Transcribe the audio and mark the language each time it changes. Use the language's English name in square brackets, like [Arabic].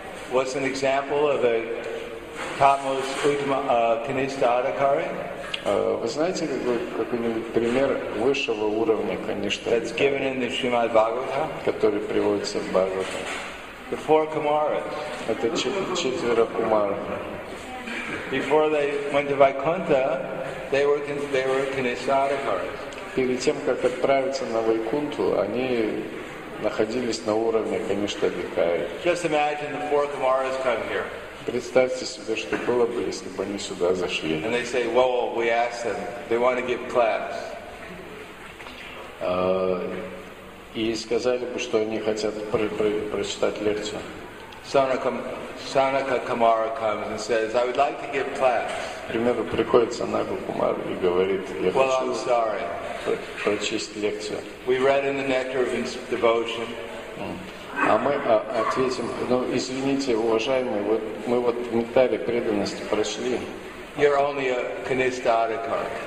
[English] What's an example of a topmost Kanishadhikari? [Russian] Вы знаете какой-нибудь пример высшего уровня Канишки? [English] That's given in the Srimad Bhagavatam. [Russian] Который приводится в Бхагаватам. [English] The four Kumaras. [Russian] Это четверо Кумар. [English] Before they went to Vaikuntha, they were Kanishadhikaris. [Russian] Перед тем как отправиться на Вайкунту, они находились на уровне Канишадхикари. [English] Just imagine the four Kumaras come here. [Russian] Представьте себе, что было бы, если бы они сюда зашли. [English] And they say, well, we asked them. They want to give class. [Russian] И сказали бы, что они хотят прочитать лекцию. [English] Sanaka Kumara comes and says, I would like to give class. [Russian] Например, приходит Санака Кумар и говорит, я [English] well, [Russian] хочу [English] I'm sorry. [Russian] Прочесть лекцию. [English] We read in the Nectar of Devotion. [Russian] А мы ответим, ну извините, уважаемые, вот мы вот в Нектаре преданности прочли. [English] You're only a Kanishadhikari.